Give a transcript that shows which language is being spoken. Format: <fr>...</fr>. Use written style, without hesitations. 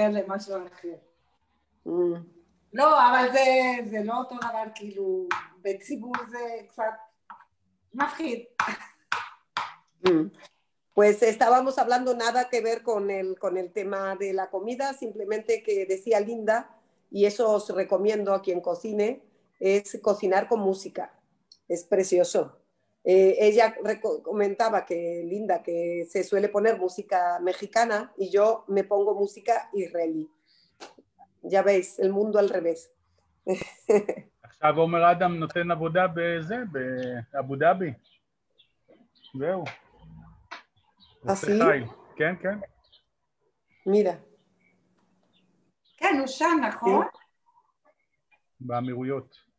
<he>כל אחד מתגעגע למשהו אחר. לא, אבל זה לא אותו דבר, כאילו, בציבור זה קצת מפחיד.</he> <es>Pues estábamos hablando nada que ver con el tema de la comida, simplemente que decía Linda, y eso os recomiendo a quien cocine, es cocinar con música. Es precioso. Ella comentaba que Linda, que se suele poner música mexicana y yo me pongo música israelí. Ya veis, el mundo al revés.</es> <he>עכשיו אומר אדם נותן עבודה בזה, באבו דאבי. זהו. אסי? כן, כן. מירה. כן, הוא שם, נכון? באמירויות.</he>